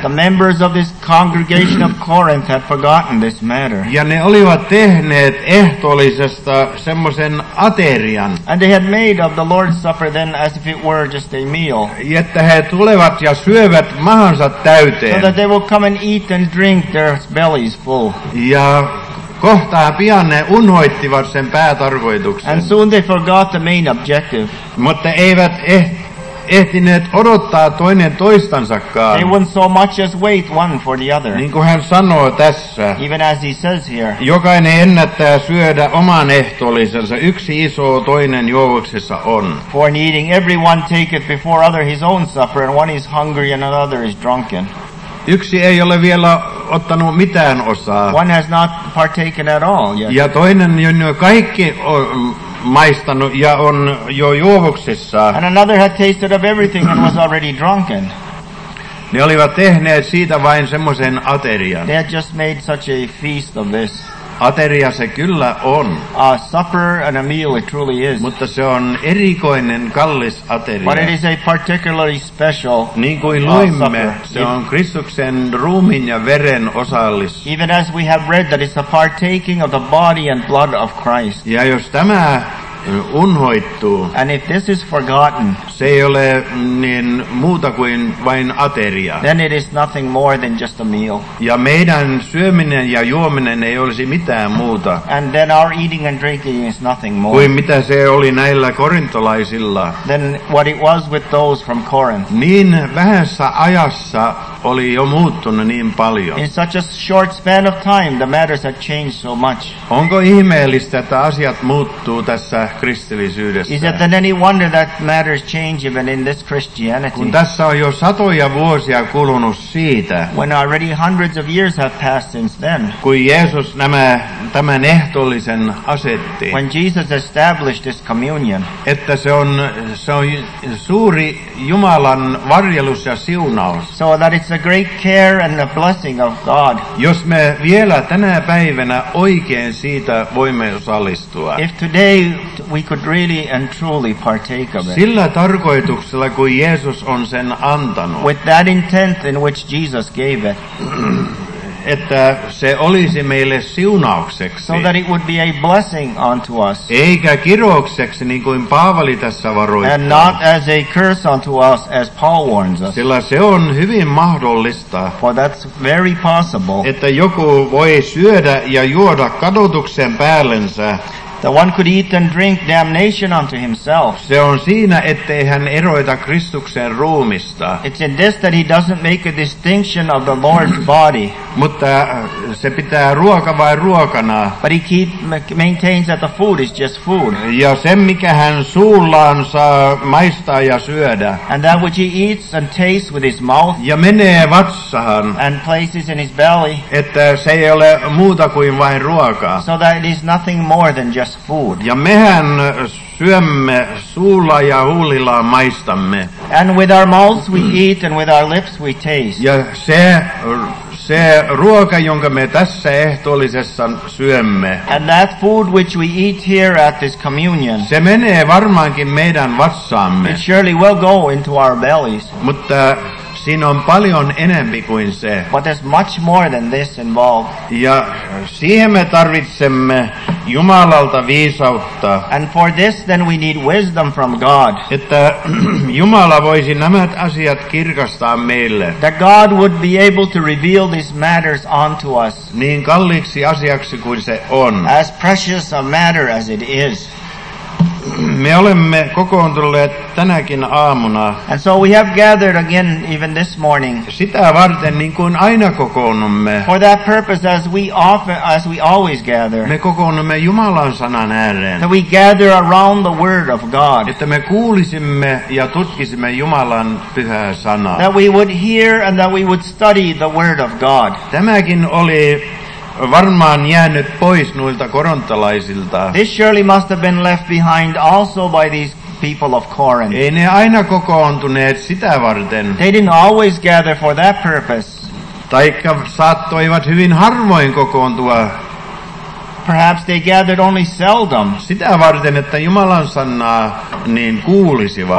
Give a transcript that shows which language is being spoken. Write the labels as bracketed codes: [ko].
[en] The members of this congregation of Corinth had forgotten this matter. [fi] Ja ne olivat tehneet ehtoollisesta semmoisen aterian. [en] And they had made of the Lord's Supper then as if it were just a meal. [fi] Jotta he tulevat ja syövät mahansa täyteen. [en] So that they will come and eat and drink their bellies full. [fi] Ja kohtaa pian ne unhoittivat sen päätarkoituksen. [en] And soon they forgot the main objective. [fi] Mutta eivät ehtineet odottaa toinen toistansakaan. [en] They wouldn't so much as wait one for the other. [fi] Niin kuin hän sanoo tässä. [en] Even as he says here. [fi] Jokainen ennättää syödä oman ehtoollisensa. Yksi iso toinen juovuksessa on. [en] For in eating everyone taketh before other his own supper, and one is hungry and another is drunken. [fi] Yksi ei ole vielä ottanut mitään osaa. [en] One has not partaken at all yet. [fi] Ja toinen jo kaikki maistanut ja on jo juovuksissa. [en] And another had tasted of everything and was already drunken. [fi] Ne olivat tehneet siitä vain semmoisen aterian. [en] They had just made such a feast of this. [fi] Ateria se kyllä on. [en] A supper and a meal it truly is. [fi] Mutta se on erikoinen, kallis ateria. [en] But it is a particularly special. [fi] Niin kuin luimme, se on Kristuksen ruumiin ja veren osallis. [en] Even as we have read that it's a partaking of the body and blood of Christ. [fi] Ja jos tämä unhoittuu. [en] And if this is forgotten. [fi] Se ei ole niin muuta kuin vain ateria. [en] Then it is nothing more than just a meal. [fi] Ja meidän syöminen ja juominen ei olisi mitään muuta. [en] And then our eating and drinking is nothing more. [fi] Kuin mitä se oli näillä korintolaisilla. [en] Then what it was with those from Corinth. [fi] Niin vähässä ajassa oli jo muuttunut niin paljon. [en] In such a short span of time the matters had changed so much. [fi] Onko ihmeellistä, että asiat muuttuu tässä kristillisyydessä? [en] Is it then any wonder that matters change even in this Christianity? [fi] Kun tässä on jo satoja vuosia kulunut siitä. [en] When already hundreds of years have passed since then. [fi] Kun Jeesus tämän ehtoollisen asetti. [en] When Jesus established this communion. [fi] Että se on suuri Jumalan varjelus ja siunaus. [en] So that it's a great care and a blessing of God. [fi] Jos me vielä tänä päivänä oikein siitä voimme osallistua. [en] If today we could really and truly partake of it. [fi] Sillä tarkoituksella, kun Jeesus on sen antanut. [en] With that intent in which Jesus gave it. [fi] Että se olisi meille siunaukseksi. [en] So that it would be a blessing unto us. [fi] Eikä kiroukseksi, niin kuin Paavali tässä varoittaa. [en] And not as a curse unto us, as Paul warns us. [fi] Sillä se on hyvin mahdollista. [en] For that's very possible. [fi] Että joku voi syödä ja juoda kadotuksen päällensä. [en] That one could eat and drink damnation unto himself. [fi] Se on siinä, ettei hän eroita Kristuksen ruumista. [en] It's in this that he doesn't make a distinction of the Lord's body. [fi] Mutta se pitää ruoka vai ruokana. [en] But he maintains that the food is just food. [fi] Ja sen, mikä hän suullaan saa maistaa ja syödä. [en] And that which he eats and tastes with his mouth. [fi] Ja menee vatsahan. [en] And places in his belly. [fi] Että se ei ole muuta kuin vain ruokaa. [en] So that it is nothing more than just food. [fi] Ja mehän syömme suulla ja huulilla maistamme. [en] And with our mouths we eat and with our lips we taste. [fi] Ja se Se ruoka, jonka me tässä ehtoollisessa syömme. [en] And that food which we eat here at this communion. [fi] Se menee varmaankin meidän vatsaamme. [en] It surely will go into our bellies. [fi] Mutta siinä on paljon enempi kuin se. [en] But there's much more than this involved. [fi] Ja siihen me tarvitsemme Jumalalta viisautta. [en] And for this then we need wisdom from God. [fi] Että Jumala voisi nämä asiat kirkastaa meille. [en] That God would be able to reveal these matters unto us. [fi] Niin kalliiksi asiaksi kuin se on. [en] As precious a matter as it is. [fi] Me olemme kokoontuneet tänäkin aamuna. [en] And so we have gathered again even this morning. [fi] Sitä varten, niin kuin aina kokoonnumme. [en] For that purpose, as we always gather. [fi] Me kokoonnumme Jumalan sanan ääreen. [en] That we gather around the word of God. [fi] Että me kuulisimme ja tutkisimme Jumalan pyhää sanaa. [en] That we would hear and that we would study the word of God. [fi] Tämäkin oli varmaan jäänyt pois noilta korontalaisilta. [en] This surely must have been left behind also by these people of Corinth. [fi] Ei ne aina kokoontuneet sitä varten. [en] They didn't always gather for that purpose. [fi] Taikka saattoivat hyvin harvoin kokoontua. [en] Perhaps they gathered only seldom. [fi] Sitä varten, että Jumalan sanaa niin kuulisivat.